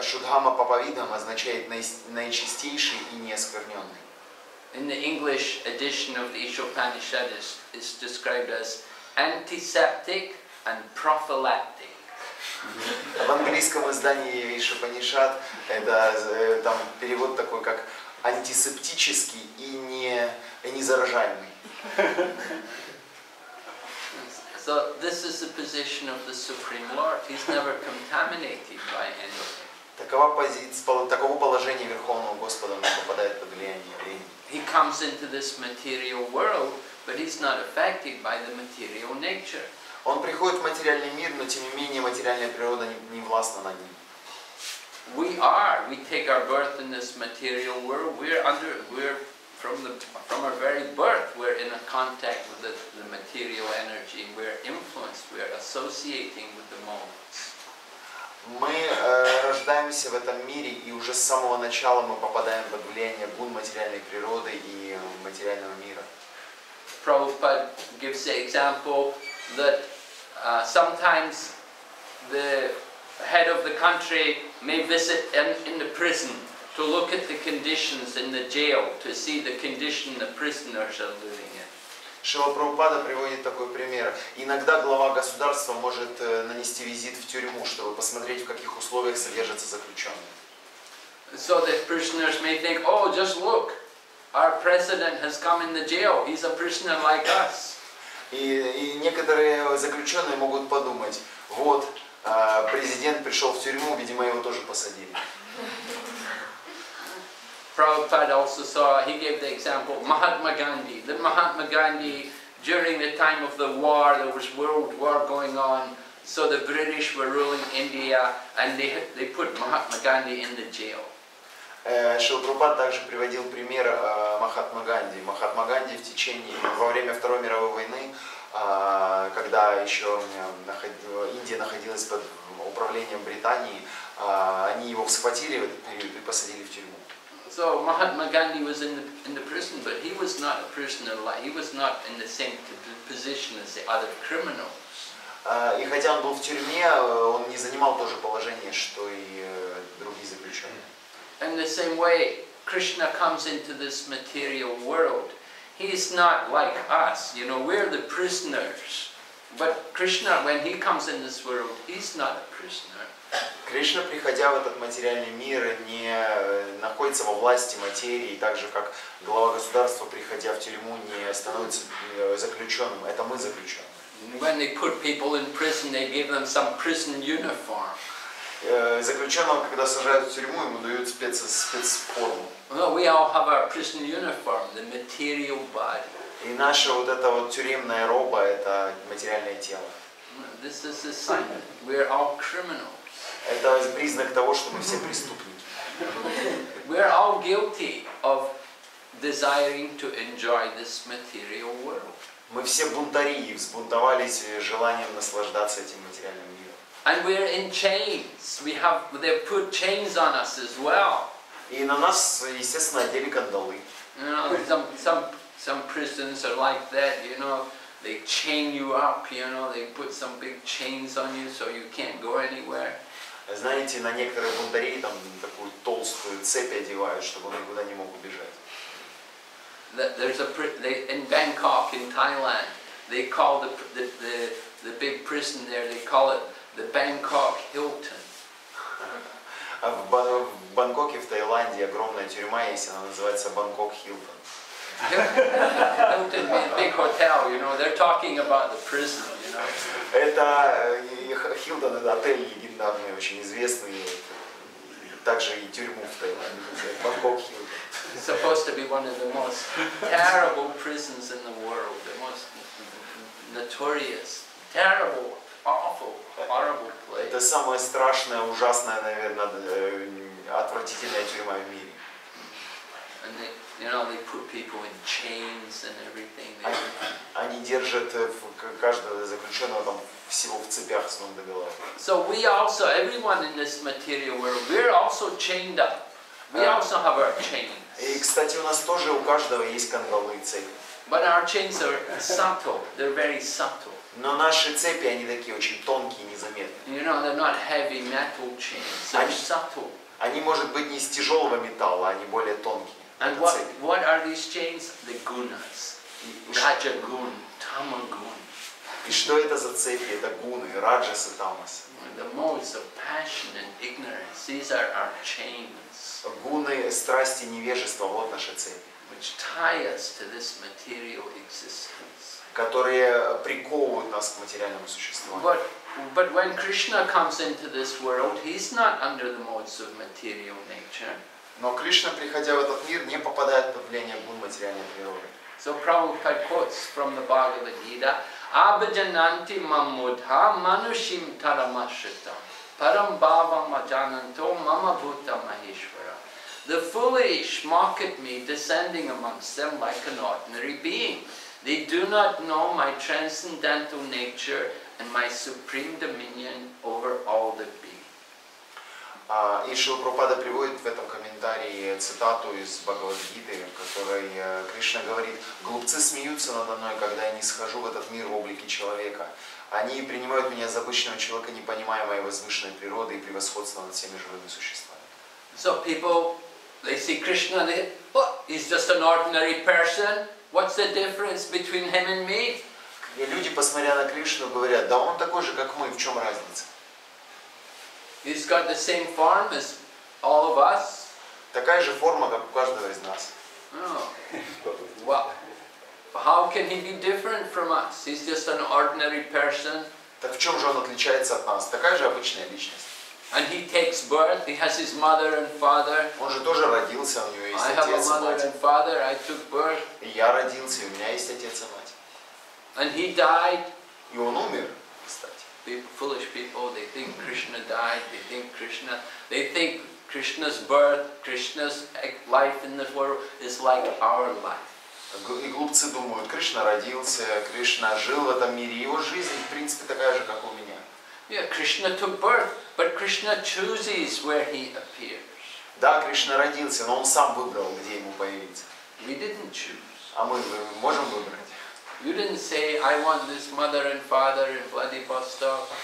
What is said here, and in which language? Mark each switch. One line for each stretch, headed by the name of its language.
Russian: Шудхама Папавидам означает наичистейший и неоскверненный.
English: In the English edition of the Isha Upanishads, it's described as antiseptic and prophylactic.
Russian: В английском издании Ишопанишад это там перевод такой как антисептический и не заражальный.
English: So this is the position of the Supreme Lord. He's never contaminated by anything.
Russian: Такова позиция, такого положения Верховного Господа не попадает под влияние времени.
English: He comes into this material world, but he's not affected by the material nature.
Russian: Он приходит в материальный мир, но тем не менее материальная природа не властна над ним.
English: We are. We take our birth in this material world. From our very birth, we're in a contact with the material energy. We're influenced. We're associating with the moments.
Russian: Мы рождаемся в этом мире, и уже с самого начала мы попадаем под влияние гун материальной природы и материального мира.
English: Prabhupada gives the example that sometimes the head of the country may visit in the prison to look at the conditions in the jail, to see the condition the prisoners are living in.
Russian: Шрила Прабхупада приводит такой пример. Иногда глава государства может нанести визит в тюрьму, чтобы посмотреть, в каких условиях содержатся заключенные.
English: So the prisoners may think, oh, just look, our president has come in the jail, he's a prisoner like us.
Russian: И некоторые заключенные могут подумать, вот, президент пришел в тюрьму, видимо, его тоже посадили.
English: Prabhupada also saw, he gave the example of Mahatma Gandhi. That Mahatma Gandhi, during the time of the war, there was world war going on, so the British were ruling India, and they put Mahatma Gandhi in the jail.
Russian: Шрила Прабхупада также приводил пример Махатмы Ганди. Махатма Ганди во время Второй мировой войны, когда еще Индия находилась под управлением Британии, они его схватили в этот период и посадили в тюрьму.
English: So Mahatma Gandhi was in the prison, but he was not a prisoner. He was not in the same position as the other criminals.
Russian: И хотя он был в тюрьме, он не занимал то же положение, что и другие заключенные.
English: In the same way, Krishna comes into this material world. He is not like us. You know, we're the prisoners. But Krishna, when he comes in this world, he's not a prisoner.
Russian: Кришна, приходя в этот материальный мир, не находится во власти материи, так же, как глава государства, приходя в тюрьму, не становится заключенным. Это мы заключенные.
English: When they put people in prison, they give them some prison uniform.
Russian: Заключенного, когда сажают в тюрьму, ему дают спецформу.
English: Well, we all have our prison uniform, the material body.
Russian: И наша вот эта вот тюремная роба, это материальное тело.
English: This is a sign. We are all criminals.
Russian: Это признак того, что мы все преступники.
English: We are all guilty of desiring to enjoy this material world.
Russian: Мы все бунтари и взбунтовались желанием наслаждаться этим материальным миром.
English: And we are in chains. They put chains on us as well.
Russian: И на нас, естественно, одели кандалы.
English: You know, some prisons are like that, you know. They chain you up, you know. They put some big chains on you so you can't go anywhere.
Russian: Знаете, на некоторых бунтарей там такую толстую цепь одевают, чтобы он никуда не мог убежать.
English: There's a in Bangkok in Thailand, they call the big prison there, they call it the Bangkok Hilton.
Russian: В Бангкоке в Таиланде огромная тюрьма есть, она называется Bangkok Hilton.
English: Hilton, big hotel, you know. They're talking about the prison, you know.
Russian: Это Hilton, это отель. Там очень известные, также и тюрьму в Таиланде, Бангкок Хилтон.
English: It's supposed to be one of the most terrible prisons in the world, the most notorious, terrible, awful, horrible place.
Russian: Это самая страшная, ужасная, наверное, отвратительная тюрьма в мире.
English: And they, you know, they put people in chains and everything.
Russian: Они держат каждого заключенного там. Всего в цепях с ног до головы.
English: So we also, everyone in this material world, we're also chained up. We also have our chains.
Russian: И, кстати, у нас тоже у каждого есть кандалы и цепи.
English: But our chains are subtle. They're very subtle.
Russian: Но наши цепи, они такие очень тонкие, незаметные.
English: You know, they're not heavy metal chains. They're subtle.
Russian: Они, может быть, не из тяжелого металла, они более тонкие.
English: And what are these chains? The gunas. Rajagun, tamagun.
Russian: И что это за цепи? Это гуны, раджас и тамас.
English: The modes of passion and ignorance. These are our chains.
Russian: Гуны, страсти, невежество. Вот наши цепи.
English: Which tie us to this material existence.
Russian: Которые приковывают нас к материальному существу.
English: But when Krishna comes into this world, he's not under the modes of material nature.
Russian: Но Кришна, приходя в этот мир, не попадает под влияние гун материальной природы.
English: So Prabhupada quotes from the Bhagavad Gita:
Sanskrit: Abhijananti mammudha manushim taramashita param bhava majananto mama bhuta maheshwara.
English: The foolish mock at me descending amongst them like an ordinary being. They do not know my transcendental nature and my supreme dominion over all the beings.
Russian: Шрила Прабхупада приводит в этом комментарии цитату из Бхагавад-гиты, в которой Кришна говорит: «Глупцы смеются надо мной, когда я не схожу в этот мир в облике человека. Они принимают меня за обычного человека, не понимая моей возвышенной природы и превосходства над всеми живыми существами».
English: So people, they see Krishna, he's just an ordinary person. What's the difference between him and me?
Russian: И люди, посмотря на Кришну, говорят: да он такой же, как мы, в чем разница?
English: He's got the same form as all of us.
Russian: Такая же форма, как у каждого из нас.
English: Oh. Well, how can he be different from us? He's just an ordinary person.
Russian: Так в чем же он отличается от нас? Такая же обычная личность.
English: And he takes birth. He has his mother and father.
Russian: Он же тоже родился, у него есть отец и мать.
English: I have a mother and father. I took birth.
Russian: И я родился, и у меня есть отец и мать.
English: And he died.
Russian: И он умер, кстати.
English: People, foolish people, they think Krishna died. They think Krishna's birth, Krishna's life in this world is like our life.
Russian: И глупцы думают: Кришна родился, Кришна жил в этом мире, его жизнь, в принципе, такая же, как у меня.
English: Yeah, Krishna took birth, but Krishna chooses where he appears.
Russian: Да, Кришна родился, но он сам выбрал, где ему появиться.
English: We didn't choose.
Russian: А мы можем выбрать?
English: You didn't say, I want this mother and father in Vladivostok.